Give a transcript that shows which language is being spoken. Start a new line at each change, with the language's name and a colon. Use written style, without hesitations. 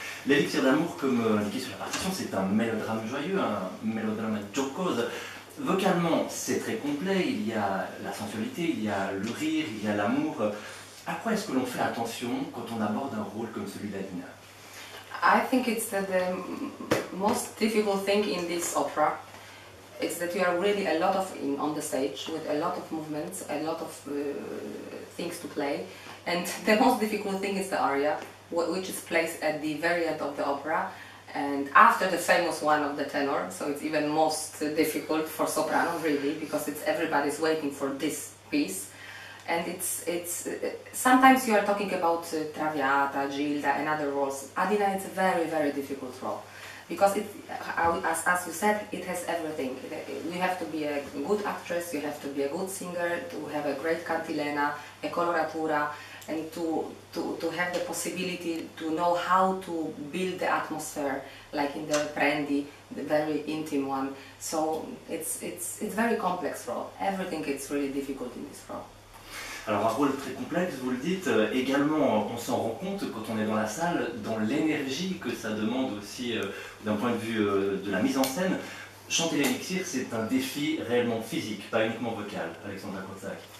French: L'élixir d'amour, comme indiqué sur la partition, c'est un mélodrame joyeux, un mélodrame giocoso. Vocalement, c'est très complet. Il y a la sensualité, il y a le rire, il y a l'amour. À quoi est-ce que l'on fait attention quand on aborde un rôle comme celui d'Adina ?
English: I think it's that the most difficult thing in this opera is that you are really a lot of on the stage with a lot of movements, a lot of things to play, and the most difficult thing is the aria, which is placed at the very end of the opera and after the famous one of the tenor. So it's even most difficult for soprano, really, because it's everybody's waiting for this piece. And it's sometimes you are talking about Traviata, Gilda, and other roles. Adina is a very, very difficult role because it, as you said, it has everything. You have to be a good actress, you have to be a good singer, to have a great cantilena, a coloratura, and to have the possibility to know how to build the atmosphere, like in the Prendi, the very intimate one. So it's very complex role. Everything is really difficult in this role.
French: Alors un rôle très complexe, vous le dites, également on s'en rend compte quand on est dans la salle, dans l'énergie que ça demande aussi d'un point de vue de la mise en scène. Chanter l'élixir, c'est un défi réellement physique, pas uniquement vocal, Alexandra Kurtzak.